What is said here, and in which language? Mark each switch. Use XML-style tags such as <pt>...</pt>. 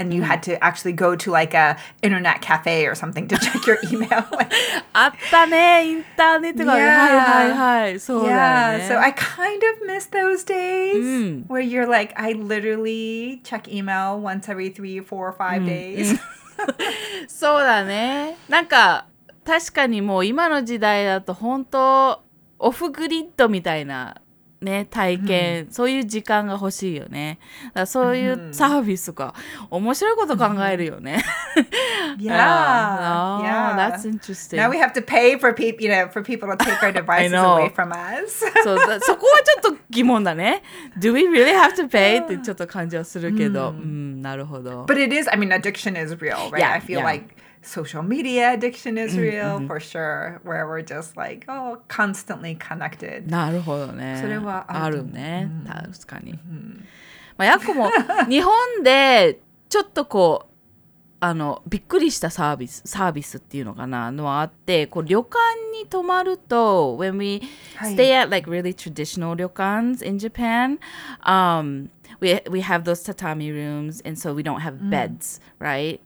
<en>And you had to actually go to like a internet cafe or something to check your email. So I kind of miss those days where you're like, I literally check email once every 3, 4, or 5 days.</en> <ja>So だね。なんか、確かにもう今の時代だと本当オフグリッドみたいなね体験、うん、そういう時間が欲しいよね。だからそういうサービスとか面白いこと考えるよね。</ja> <en>Yeah, yeah, that's interesting. Now we have to pay for people, you know, for people to take our devices away from us.</en> <ja>So, そこはちょっと疑問だね。</ja> <en>Do we really have to pay?</en> <ja>ってちょっと感じはするけど、うん、なるほど。</ja> <en>But it is, I mean, addiction is real, right? Yeah, I feel like. Social media addiction is real, for sure. Where we're just like, oh, constantly connected.</en> <ja>なるほどね。それはあるね。確かに。まあ、ヤコも日本でちょっとこう、びっくりしたサービスっていうのかなのはあって、こう旅館に泊まると、</ja> <en>when we stay at like really traditional 旅館 in Japan, We have those tatami rooms, and so we don't have beds, right?</en>